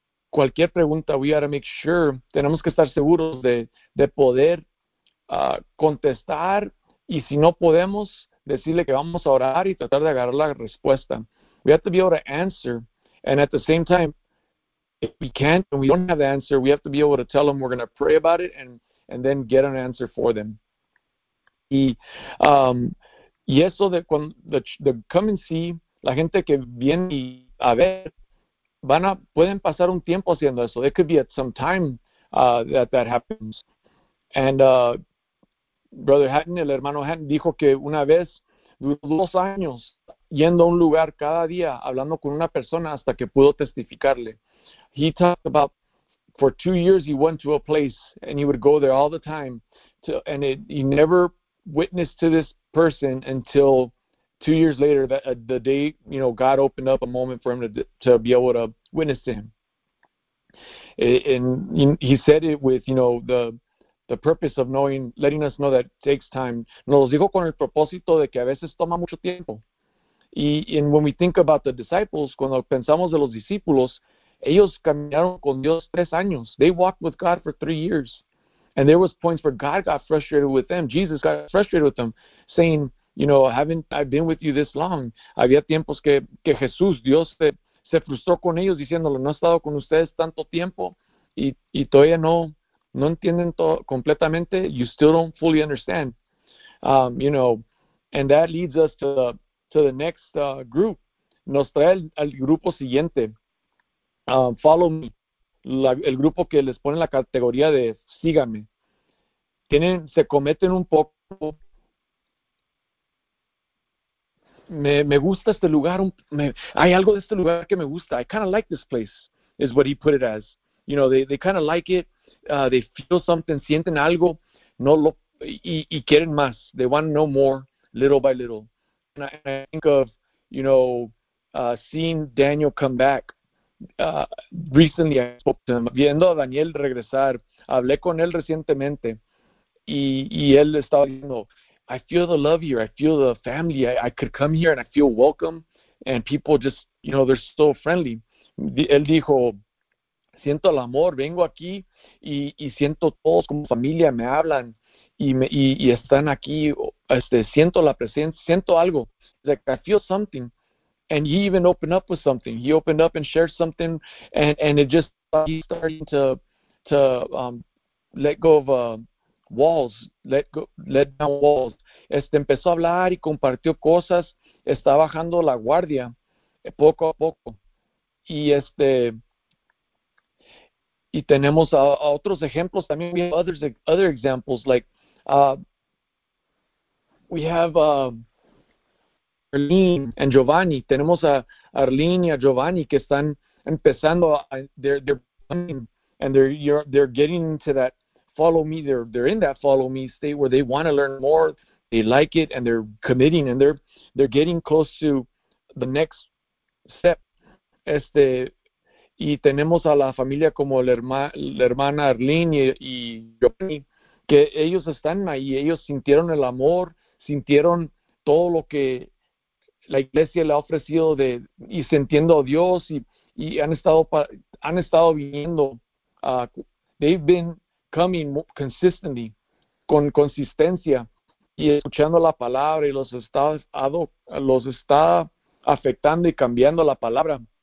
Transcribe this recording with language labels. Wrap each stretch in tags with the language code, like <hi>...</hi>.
<es>Cualquier pregunta,</es> <en>we gotta make sure,</en> <es>tenemos que estar seguros de poder contestar, y si no podemos, decirle que vamos a orar y tratar de agarrar la respuesta.</es> <en>We have to be able to answer, and at the same time, if we can't and we don't have the answer, we have to be able to tell them we're going to pray about it and then get an answer for them.</en> <es>Y eso de cuando</es> <en>the come and see,</en> <es>la gente que viene y a ver, pueden pasar un tiempo haciendo eso.</es> <en>There could be at some time that happens. And Brother Hatton,</en> <es>el hermano Hatton, dijo que una vez duró 2 años yendo a un lugar cada día, hablando con una persona hasta que pudo testificarle.</es> <en>He talked about for 2 years he went to a place and he would go there all the time. He never witnessed to this person until 2 years later, the day, you know, God opened up a moment for him to be able to witness to him. And he said it with, you know, the purpose of knowing, letting us know that it takes time.</en> <es>Nos dijo con el propósito de que a veces toma mucho tiempo.</es> <en>And when we think about the disciples,</en> <es>cuando pensamos de los discípulos, ellos caminaron con Dios 3 años.</es> <en>They walked with God for 3 years. And there was points where God got frustrated with them. Jesus got frustrated with them, saying, you know, haven't I been with you this long?</en> <es>Había tiempos que Jesús, Dios, se frustró con ellos, diciéndole, no he estado con ustedes tanto tiempo, y todavía no entienden todo completamente.</es> <en>You still don't fully understand. You know, and that leads us to the next group.</en> <es>Nos trae al grupo siguiente.</es> <en>Follow me.</en> <es>El grupo que les pone la categoría de sígame. Se cometen un poco. Me gusta este lugar. Hay algo de este lugar que me gusta.</es> <en>I kind of like this place, is what he put it as. You know, they kind of like it. They feel something.</en> <es>Sienten algo. No lo, y quieren más.</es> <en>They want to know more, little by little. And I think of, you know, seeing Daniel come back. Recently I spoke to him.</en> <es>Viendo a Daniel regresar, hablé con él recientemente. Y él estaba diciendo,</es> <en>I feel the love here. I feel the family. I could come here and I feel welcome. And people just, you know, they're so friendly.</en> <es>Él dijo, siento el amor. Vengo aquí y siento todos como familia. Me hablan. Y están aquí, siento la presencia, siento algo.</es> <en>Like, I feel something. And he even opened up with something. He opened up and shared something, and it just, he's starting to let go of walls, let down walls.</en> <es>Empezó a hablar y compartió cosas, está bajando la guardia poco a poco. Y y tenemos a otros ejemplos también.</es> <en>We have other examples, like we have Arlene and Giovanni.</en> <es>Tenemos a Arlene y a Giovanni que están empezando, they're getting into that follow me.</es> <en>They're in that follow me state where they want to learn more. They like it and they're committing and they're getting close to the next step.</en> <es>Y tenemos a la familia como la hermana Arlene y Giovanni, que ellos están ahí, ellos sintieron el amor, sintieron todo lo que la iglesia le ha ofrecido de y sintiendo a Dios y han estado viniendo,</es> <en>they've been coming consistently,</en> <es>con consistencia, y escuchando la palabra y los está afectando y cambiando la palabra.</es>